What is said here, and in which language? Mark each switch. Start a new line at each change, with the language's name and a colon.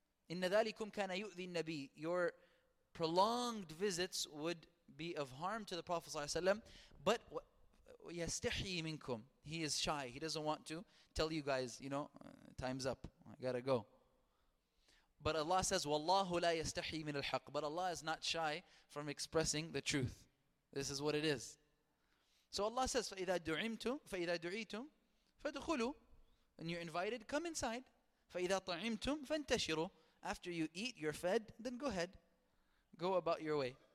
Arabic: إن ذلكم كان يؤذي النبي.
English: Your prolonged visits would be of harm to the Prophet ﷺ, but
Arabic: يستحي منكم.
English: He is shy. He doesn't want to tell you guys, you know, time's up, I gotta go. But Allah says,
Arabic: وَاللَّهُ لَا يَسْتَحِي مِنَ الْحَقِّ.
English: But Allah is not shy from expressing the truth. This is what it is. So Allah says,
Arabic: فَإِذَا دُعِيتُمْ فَدُخُلُوا.
English: When you're invited, come inside.
Arabic: فَإِذَا طَعِمْتُمْ فَانْتَشِرُوا.
English: After you eat, you're fed, then go ahead. Go about your way.